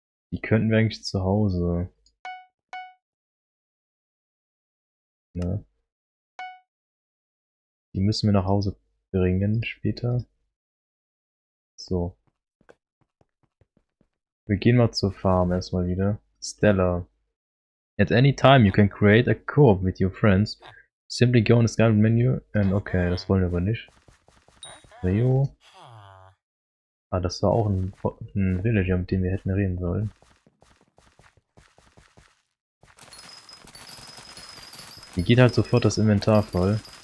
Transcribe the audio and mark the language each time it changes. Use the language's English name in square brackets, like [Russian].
[German] Die könnten wir eigentlich zu Hause. Ne? Die müssen wir nach Hause bringen später. So. Wir gehen mal zur Farm erstmal wieder. Stella. [English] At any time you can create a co-op with your friends. Simply go in the Skype menu and okay, [German] das wollen wir aber nicht. [English] Leo. [German] Ah, das war auch ein Villager, mit dem wir hätten reden sollen. Hier geht halt sofort das Inventar voll.